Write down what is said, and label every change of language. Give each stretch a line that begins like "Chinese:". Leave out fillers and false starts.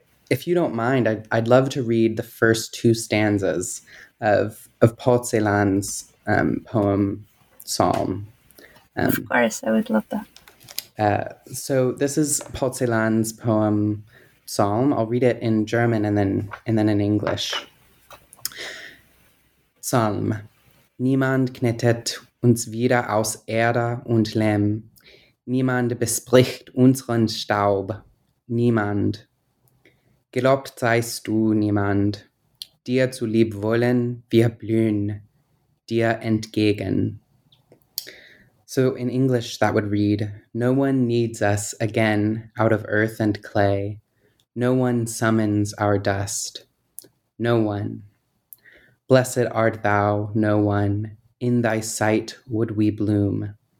English: If you don't mind, I'd love to read the first two stanzas of Paul Celan's poem, Psalm. Of course, I would love that. So this is Paul Celan's poem, Psalm. I'll read it in German and then in English. Psalm.
German: Niemand knetet uns wieder aus Erde und Lehm. Niemand bespricht unseren Staub. Niemand. Gelobt seist du, niemand. Dir zu lieb wollen, wir blühen dir entgegen.
English: So in English, that would read, no one needs us again out of earth and clay. No one summons our dust. No one. Blessed art thou, no one. In thy sight would we bloom.